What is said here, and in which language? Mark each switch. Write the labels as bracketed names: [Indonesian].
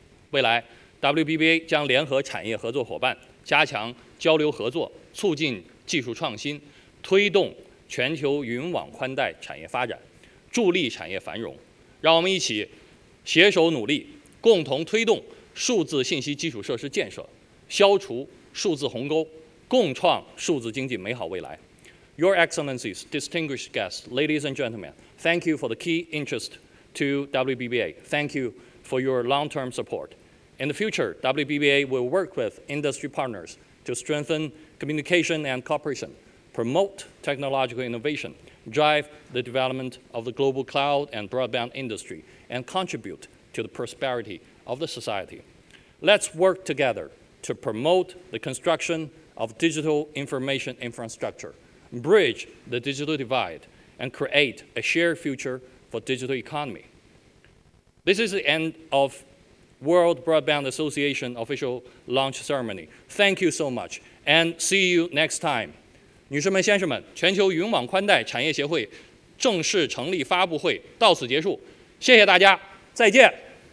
[Chinese] 未来 WBBA 将联合产业合作伙伴，加强交流合作，促进技术创新，推动全球云网宽带产业发展，助力产业繁荣。让我们一起 携手努力，共同推动数字信息基础设施建设，消除数字鸿沟，共创数字经济美好未来。 [English] Your Excellencies, distinguished guests, ladies and gentlemen, thank you for the key interest to WBBA. Thank you for your long-term support. In the future, WBBA will work with industry partners to strengthen communication and cooperation, promote technological innovation, drive the development of the global cloud and broadband industry, and contribute to the prosperity of the society. Let's work together to promote the construction of digital information infrastructure, bridge the digital divide, and create a shared future for digital economy. This is the end of World Broadband Association official launch ceremony. Thank you so much, and see you next time. [Chinese] 女士们、先生们，全球云网宽带产业协会正式成立发布会到此结束，谢谢大家，再见。